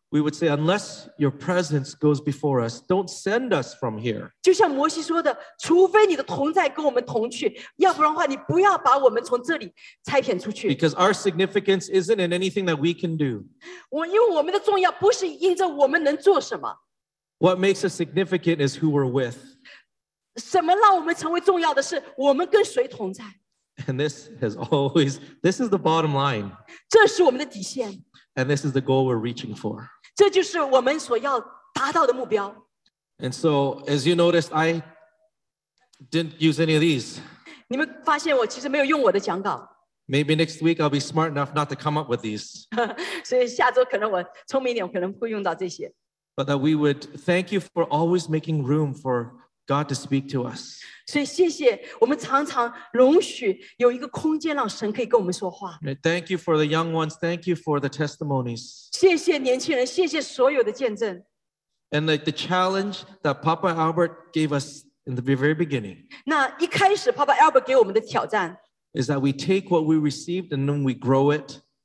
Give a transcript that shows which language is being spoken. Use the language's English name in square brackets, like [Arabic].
[English] We would say, unless your presence goes before us, don't send us from here. [Chinese] 就像摩西说的, 除非你的同在跟我们同去, 要不然的话你不要把我们从这里拆遣出去。 [English] Because our significance isn't in anything that we can do. [Chinese] 因为我们的重要不是因着我们能做什么。 [English] What makes us significant is who we're with. [Chinese] 什么让我们成为重要的是我们跟谁同在。 [English] And this has always, this is the bottom line. [Chinese] 这是我们的底线。 [English] And this is the goal we're reaching for. [Chinese] 这就是我们所要达到的目标。 [English] And so, as you noticed, I didn't use any of these. [Chinese] 你们发现我其实没有用我的讲稿。 [English] Maybe next week I'll be smart enough not to come up with these. [Chinese] 所以下周可能我聪明一点，我可能不会用到这些。 [English] But that we would thank you for always making room for God to speak to us. [Chinese] 所以谢谢我们常常容许有一个空间让神可以跟我们说话。 [English] Thank you for the young ones. Thank you for the testimonies. [Chinese] 谢谢年轻人，谢谢所有的见证。 [English] And like the challenge that Papa Albert gave us in the very beginning. [Chinese] 那一开始 Papa Albert 给我们的挑战。 [English] Is that we take what we received and then we grow it.